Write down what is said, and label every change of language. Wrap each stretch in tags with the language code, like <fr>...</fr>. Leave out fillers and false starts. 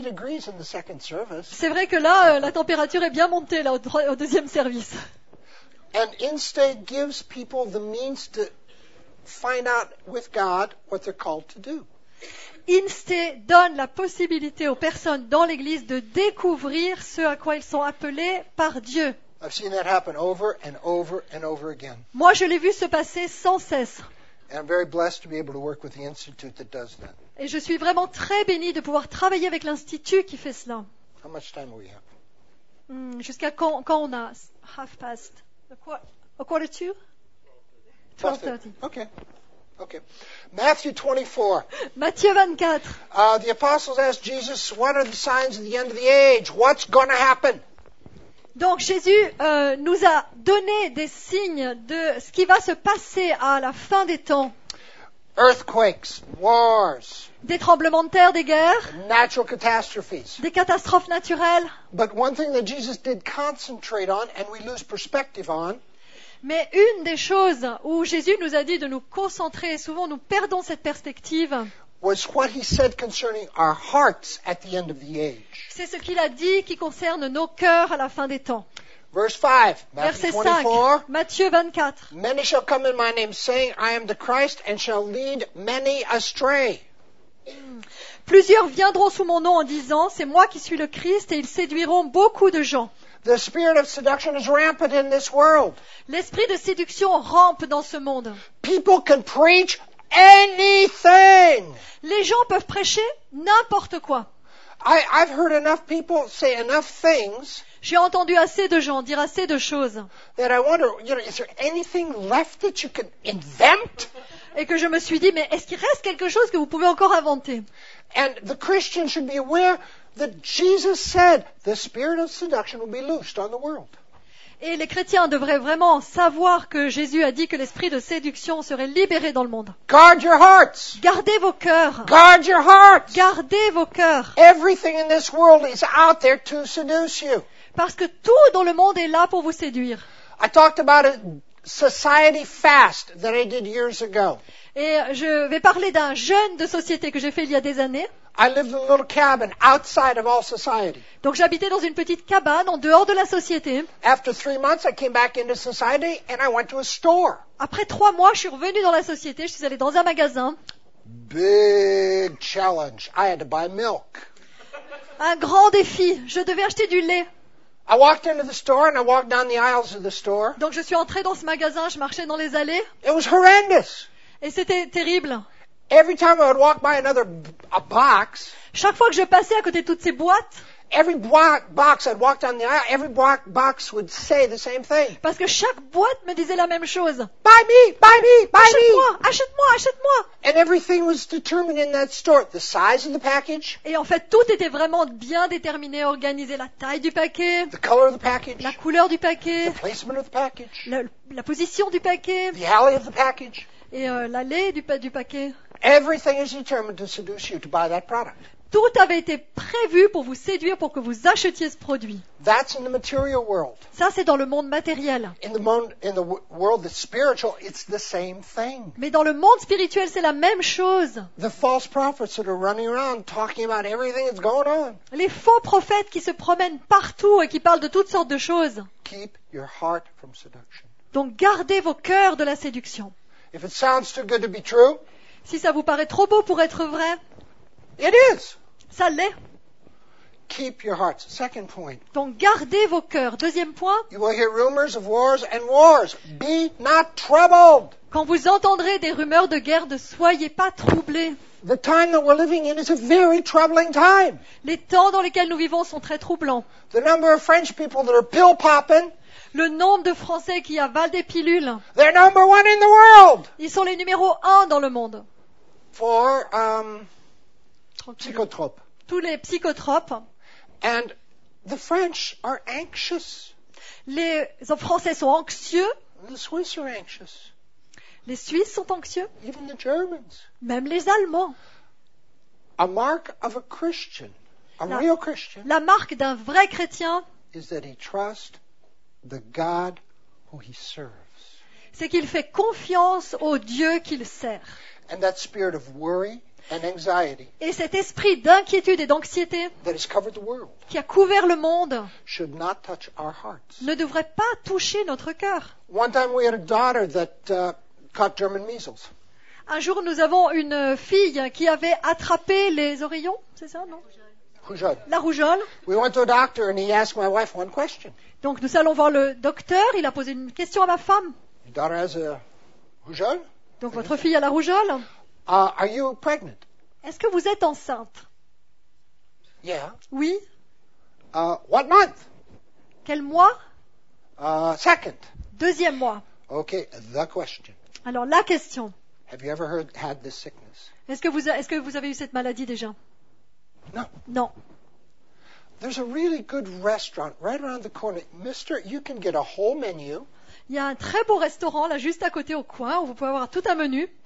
<fr>C'est vrai que là, la température est bien montée là, au deuxième service.</fr> <en>And Instead gives people the means to find out with God what they're called to do.</en> <fr>Instead donne la possibilité aux personnes dans l'église de découvrir ce à quoi ils sont appelés par Dieu.</fr> <en>I've seen that happen over and over and over again.</en> <fr>Moi, je l'ai vu se passer sans cesse.</fr> <en>And I'm very blessed to be able to work with the institute that does that.</en> <fr>Et je suis vraiment très béni de pouvoir travailler avec l'institut qui fait cela.</fr> <en>How much time do we have?</en> <fr>Jusqu'à quand on a?</fr> <en>Half past. A quarter to? 12:30. Okay. Matthew 24.</en> <fr>Matthieu 24.</fr> <en>The apostles asked Jesus, what are the signs of the end of the age? What's going to happen?</en> <fr>Donc Jésus nous a donné des signes de ce qui va se passer à la fin des temps.</fr> <en>Earthquakes, wars.</en> <fr>Des tremblements de terre, des guerres.</fr> <en>Natural catastrophes.</en> <fr>Des catastrophes naturelles.</fr> <en>But one thing that Jesus did concentrate on and we lose perspective on.</en> <fr>Mais une des choses où Jésus nous a dit de nous concentrer, et souvent nous perdons cette perspective,</fr> <en>was what he said concerning our hearts at the end of the age.</en> <fr>C'est ce qu'il a dit qui concerne nos cœurs à la fin des temps.</fr> <en>Verse 5, Matthew 24.</en> <fr>Matthieu 24.</fr> <en>Many shall come in my name saying, I am the Christ, and shall lead many astray.</en> <fr>Plusieurs viendront sous mon nom en disant, c'est moi qui suis le Christ, et ils séduiront beaucoup de gens.</fr> <en>The spirit of seduction is rampant in this world.</en> <fr>L'esprit de séduction rampe dans ce monde.</fr> <en>People can preach anything.</en> <fr>Les gens peuvent prêcher n'importe quoi.</fr> <en>I've heard enough people say enough things.</en> <fr>J'ai entendu assez de gens dire assez de choses.</fr> <en>That I wonder, you know, is there anything left that you can invent?</en> <fr>Et que je me suis dit, mais est-ce qu'il reste quelque chose que vous pouvez encore inventer?</fr> <en>And the Christian should be aware that Jesus said the spirit of seduction will be loosed on the world.</en> <fr>Et les chrétiens devraient vraiment savoir que Jésus a dit que l'esprit de séduction serait libéré dans le monde.</fr> <en>Guard your hearts.</en> <fr>Gardez vos cœurs.</fr> <en>Guard your hearts.</en> <fr>Gardez vos cœurs.</fr> <en>Everything in this world is out there to seduce you.</en> <fr>Parce que tout dans le monde est là pour vous séduire.</fr> <en>I talked about a society fast that I did years ago.</en> <fr>Et je vais parler d'un jeûne de société que j'ai fait il y a des années.</fr> <en>I lived in a little cabin outside of all society.</en> <fr>Donc j'habitais dans une petite cabane en dehors de la société.</fr> <en>After 3 months, I came back into society and I went to a store.</en> <fr>Après 3 mois, je suis revenu dans la société, je suis allé dans un magasin.</fr> <en>Big challenge. I had to buy milk.</en> <fr>Un grand défi. Je devais acheter du lait.</fr> <en>I walked into the store and I walked down the aisles of the store.</en> <fr>Donc je suis entré dans ce magasin, je marchais dans les allées.</fr> <en>It was horrendous.</en> <fr>Et c'était terrible.</fr> <en>Every time I would walk by another box,</en> <fr>chaque fois que je passais à côté de toutes ces boîtes,</fr> <en>every box I'd walk down the aisle, every box would say the same thing.</en> <fr>Parce que chaque boîte me disait la même chose.</fr> <en>Buy me.</en> <fr>Achète-moi.</fr> <en>And everything was determined in that store, the size of the package.</en> <fr>Et en fait, tout était vraiment bien déterminé, organisé, la taille du paquet,</fr> <en>the color of the package,</en> <fr>la couleur du paquet,</fr> <en>the placement of the package,</en> <fr>la position du paquet,</fr> <en>the alley of the package.</en> <fr>Et l'allée du paquet.</fr> <en>Everything is determined to seduce you to buy that product.</en> <fr>Tout avait été prévu pour vous séduire, pour que vous achetiez ce produit.</fr> <en>That's in the material world.</en> <fr>Ça, c'est dans le monde matériel.</fr> <en>In the world that's spiritual, it's the same thing.</en> <fr>Mais dans le monde spirituel, c'est la même chose.</fr> <en>The false prophets that are running around talking about everything that's going on.</en> <fr>Les faux prophètes qui se promènent partout et qui parlent de toutes sortes de choses.</fr> <en>Keep your heart from seduction.</en> <fr>Donc gardez vos cœurs de la séduction.</fr> <en>If it sounds too good to be true,</en> <fr>si ça vous paraît trop beau pour être vrai,</fr> <en>it is.</en> <fr>Ça l'est.</fr> <en>Keep your hearts. Second point.</en> <fr>Donc gardez vos cœurs. Deuxième point.</fr> <en>You will hear rumors of wars and wars. Be not troubled.</en> <fr>Quand vous entendrez des rumeurs de guerre, ne soyez pas troublés.</fr> <en>The time that we're living in is a very troubling time.</en> <fr>Les temps dans lesquels nous vivons sont très troublants.</fr> <en>The number of French people that are pill popping.</en> <fr>Le nombre de Français qui avalent des pilules.</fr> <en>They're number one in the world.</en> <fr>Ils sont les numéros un dans le monde.</fr> <en>For psychotropes.</en> <fr>Tous les psychotropes.</fr> <en>And the French are anxious.</en> <fr>Les Français sont anxieux.</fr> <en>The Swiss are anxious.</en> <fr>Les Suisses sont anxieux.</fr> <en>Even the Germans.</en> <fr>Même les Allemands.</fr> <en>A mark of a Christian, real Christian.</en> <fr>La marque d'un vrai chrétien.</fr> <en>Is that he trusts the God who he serves.</en> <fr>C'est qu'il fait confiance au Dieu qu'il sert.</fr> <en>And that spirit of worry and anxiety.</en> <fr>Et cet esprit d'inquiétude et d'anxiété.</fr> <en>That has covered the world.</en> <fr>Qui a couvert le monde.</fr> <en>Should not touch our hearts.</en> <fr>Ne devrait pas toucher notre cœur.</fr> <en>One time we had a daughter that caught German measles.</en> <fr>Un jour, nous avons une fille qui avait attrapé les oreillons, c'est ça, non? Rougeole. La rougeole.</fr> <en>We went to a doctor and he asked my wife one question.</en> <fr>Donc, nous allons voir le docteur. Il a posé une question à ma femme.</fr> <en>Your daughter has a rougeole?</en> <fr>Donc, votre fille a la rougeole?</fr> <en>Are you pregnant?</en> <fr>Est-ce que vous êtes enceinte?</fr> <en>Yeah.</en> <fr>Oui.</fr> <en>What month?</en> <fr>Quel mois?</fr> <en>Second.</en> <fr>Deuxième mois.</fr> <en>Okay, the question.</en> <fr>Alors, la question.</fr> <en>Have you ever heard, had this sickness?</en> <fr>Est-ce que vous avez eu cette maladie déjà?</fr> <en>No.</en> <fr>Non.</fr> <en>There's a really good restaurant right around the corner. Mister, you can get a whole menu.</en> <fr>Il y a un très beau restaurant là juste à côté au coin où vous pouvez avoir tout un menu.</fr>